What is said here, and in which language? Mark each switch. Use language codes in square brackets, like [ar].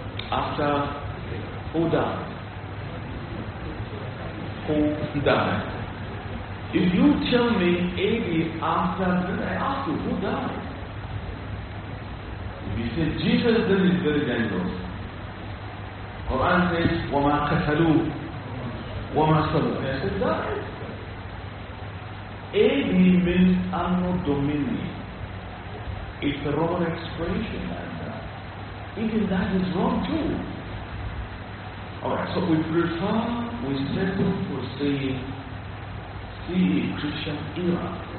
[en] After, who died? Who died? If you tell me AD after, then I ask you, who died? If you say Jesus, then it's very dangerous. Quran says, [ar] وَمَا قَتَلُوا وَمَا صَلُوا. [en] And I said, that is AD means Anno Domini. It's a Roman expression like that. Even that is wrong too. Alright, so we prefer, we settle for saying CE, Christian era.